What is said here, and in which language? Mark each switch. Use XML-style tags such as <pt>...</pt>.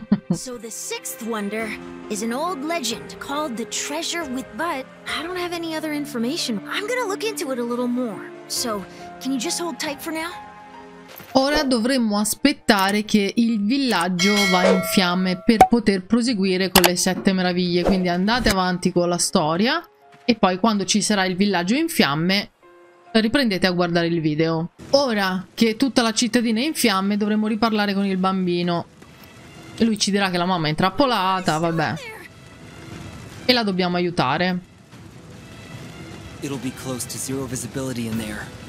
<en>So the sixth wonder is an old legend called the treasure with... But I don't have any other information. I'm gonna look into it a little more. So can you just hold tight for now?</en> <it>Ora dovremmo aspettare che il villaggio va in fiamme per poter proseguire con le sette meraviglie. Quindi andate avanti con la storia e poi quando ci sarà il villaggio in fiamme riprendete a guardare il video. Ora che tutta la cittadina è in fiamme dovremo riparlare con il bambino. Lui ci dirà che la mamma è intrappolata, vabbè. E la dobbiamo aiutare.</it> <en>It'll be close to zero visibility in there.</en>